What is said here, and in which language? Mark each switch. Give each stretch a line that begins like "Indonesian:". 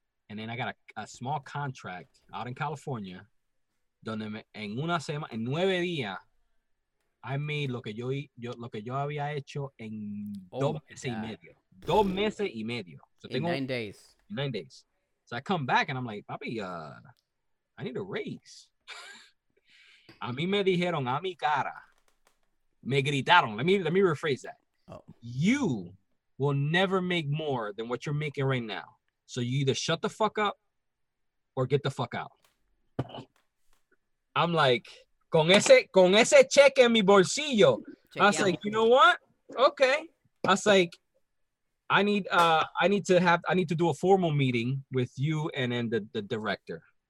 English: And then I got a small contract out in California,
Spanish: donde en una semana, en 9 días,
English: I made
Spanish: lo que yo había hecho en dos meses y medio.
English: So in
Spanish: tengo,
English: 9 days. 9 days. So I come back and I'm like, papi, I need a raise.
Spanish: A mí me dijeron a mi cara, me gritaron.
English: Let me rephrase that. Oh. You will never make more than what you're making right now. So you either shut the fuck up or get the fuck out. I'm like,
Spanish: con ese cheque en mi bolsillo.
English: Chequeamos. I was like, you know what? Okay. I was like, I need to do a formal meeting with you and then the director.